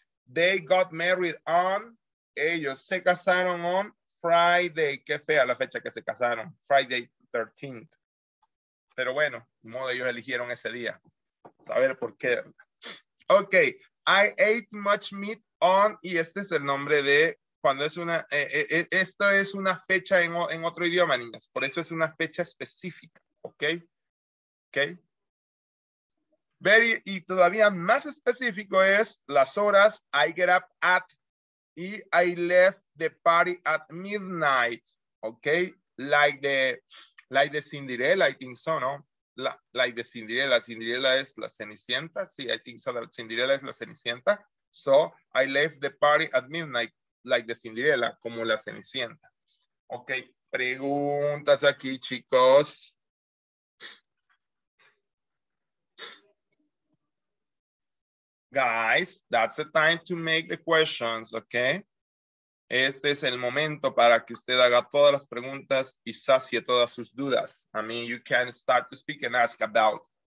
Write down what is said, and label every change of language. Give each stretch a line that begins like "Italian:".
English: They got married on,
Spanish: ellos se casaron
English: on Friday.
Spanish: Qué fea la fecha que se casaron, Friday 13th. Pero bueno, de modo ellos eligieron ese día. Saber por qué. Ok,
English: I ate much meat on,
Spanish: y este es el nombre de, cuando es una, esto es una fecha en otro idioma, niños. Por eso es una fecha específica, ok. Ok.
English: Very,
Spanish: y todavía más específico es las horas,
English: I get up at, y I left the party at midnight, ok, like the Cinderella, I think so, no, like the Cinderella,
Spanish: Cinderella es la Cenicienta,
English: sí, I think so, that Cinderella es la Cenicienta, so I left the party at midnight, like the Cinderella,
Spanish: como la Cenicienta,
English: ok,
Spanish: preguntas aquí, chicos.
English: Guys, that's the time to make the questions, okay?
Spanish: Este es el momento para que usted haga todas las preguntas y sacie todas sus dudas.
English: I mean, you can start to speak and ask about.